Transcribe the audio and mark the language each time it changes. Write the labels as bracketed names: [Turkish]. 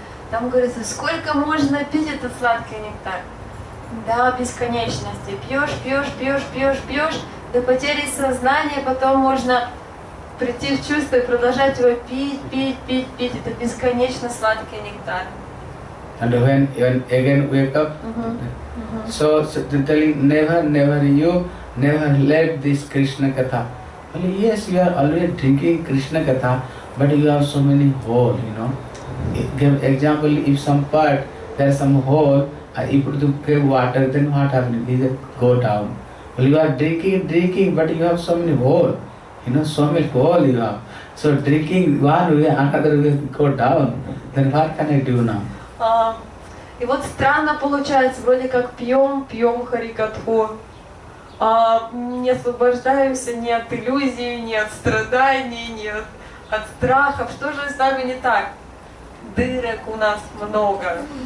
[Russian] Там говорится, сколько можно пить этот сладкий нектар? Да, бесконечности. Пьешь до потери сознания, потом можно прийти в чувство и продолжать его пить. Это бесконечно сладкий нектар. [English] And when you again wake up, So they're telling never left this Krishna katha. Well, yes, you are always drinking Krishna katha, but you have so many hole, you know. Give example, if some part, there is some hole, if you give water, then what happens? It go down. Well, you are drinking, but you have so many hole. You know, so much hole you have. So drinking one way, another way go down. Then what can I do now? [Russian] И вот странно получается, вроде как пьем харикатху, не освобождаемся ни от иллюзий, ни от страданий, ни от страхов. Что же с нами не так? Дырок у нас много.